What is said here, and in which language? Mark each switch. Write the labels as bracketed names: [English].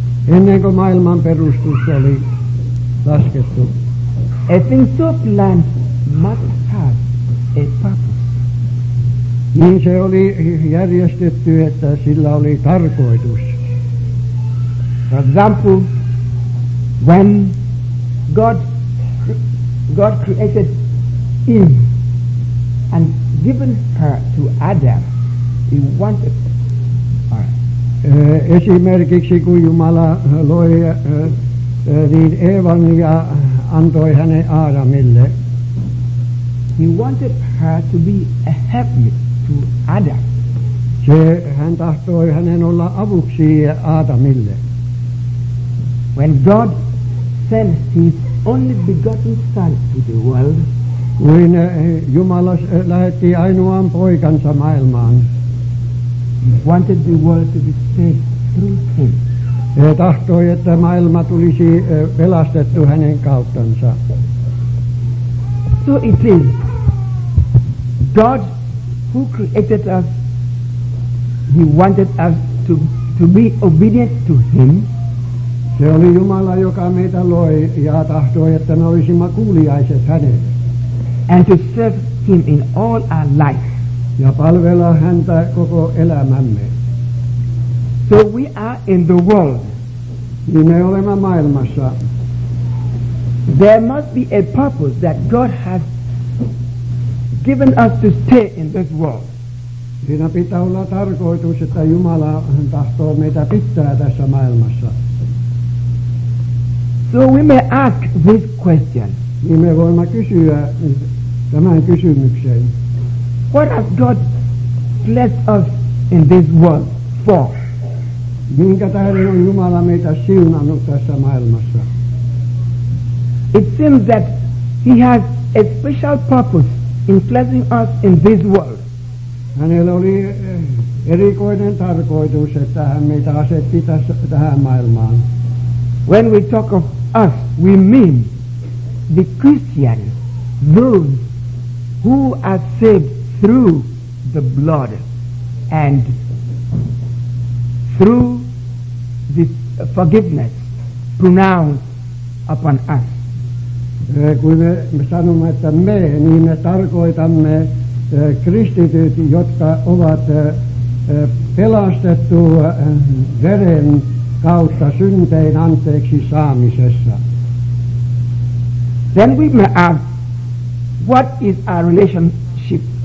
[Finnish] Ennen kuin maailman perustus oli. [English] A thing so planned must have a purpose. [Finnish] Niin se oli järjestetty, että sillä oli tarkoitus. [English] For example, when God created Eve and given her to Adam, he wanted her. [Finnish] Esimerkiksi kun Jumala loi niin Eevan ja antoi hänen Aadamille. [English] He wanted her to be a helpmeet to Adam. [Finnish] Se hän tahtoi hänen olla avuksi Aadamille. [English] When God sent his only begotten son to the world, [Finnish] kun Jumala lähetti ainoan poikansa maailmaan, [English] he wanted the world to be saved through him. [Finnish] He tahtoi, että maailma tulisi pelastettu hänen kauttansa. [English] So it is God who created us. He wanted us to be obedient to him. [Finnish] Se oli Jumala, joka meitä loi ja tahtoi, että me olisimme kuuliaiset hänelle. [English] And to serve him in all our life. [Finnish] Ja palvella häntä koko elämämme. [English] So we are in the world. [Finnish] Niin me olemme maailmassa. [English] There must be a purpose that God has given us to stay in this world. [Finnish] Siinä pitää olla tarkoitus, että Jumala tahtoo meitä pitää tässä maailmassa. [English] So we may ask this question. [Finnish] Niin me voimme kysyä tämän kysymyksen. [English] What has God blessed us in this world for? [Finnish] Minkä tähden on Jumala meitä siunannut tässä maailmassa? [English] It seems that he has a special purpose in blessing us in this world. [Finnish] Hänellä oli erikoinen tarkoitus, että hän meitä asetti tähän maailmaan. [English] When we talk of us, we mean the Christians, those who are saved through the blood and through the forgiveness pronounced upon us. [Finnish] Kun me sanomme, että me, niin me tarkoitamme kristityt, jotka ovat pelastettu veren kautta syntein anteeksi saamisessa. [English] Then we may ask, what is our relationship?